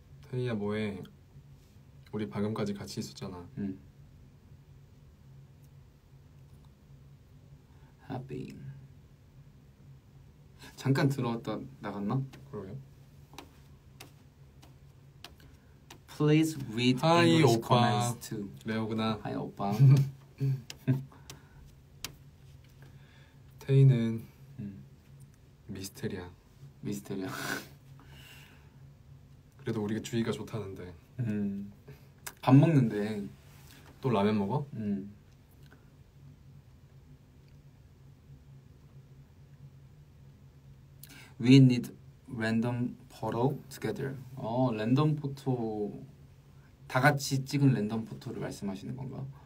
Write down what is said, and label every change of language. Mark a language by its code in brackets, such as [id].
[ko] 태희야 뭐해 우리 방금까지 같이 있었잖아. 하핑 잠깐 들어왔다 나갔나? 그러게요. [en] Please read English comments too. [ko] 레오구나. 하이 오빠. 테이는 미스테리야. 미스테리야. 그래도 우리가 주위가 좋다는데. 밥 먹는데 또 라면 먹어? [en] We need random photo together. [ko] 어, 랜덤 포토 다 같이 찍은 랜덤 포토를 말씀하시는 건가?